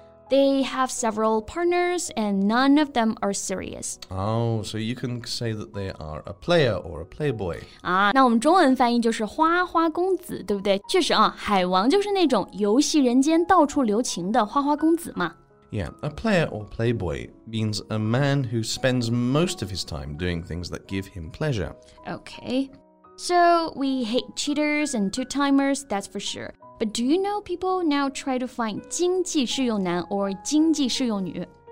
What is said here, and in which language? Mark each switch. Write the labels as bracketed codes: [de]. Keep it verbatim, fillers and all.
[en] They have several partners and none of them are serious. Oh, so you can say that they are a player or a playboy. [zh] 啊，那我们中文翻译就是花花公子，对不对？确实啊，海王就是那种游戏人间到处留情的花花公子嘛。 [en] Yeah, a player or playboy means a man who spends most of his time doing things that give him pleasure. Okay, so we hate cheaters and two-timers, that's for sure. But do you know people now try to find 经济适用男 or 经济适用女?